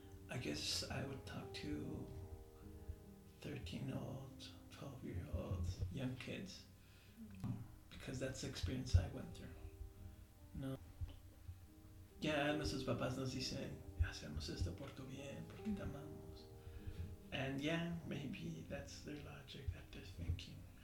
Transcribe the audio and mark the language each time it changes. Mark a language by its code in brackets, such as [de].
[en] I guess I would talk to 13-year-old, 12-year-old young kids, because that's the experience I went through. No. [es] Yeah, nuestros papás nos dicen, hacemos esto por tu bien, porque te amamos. [en] And yeah, maybe that's their logic, that they're thinking.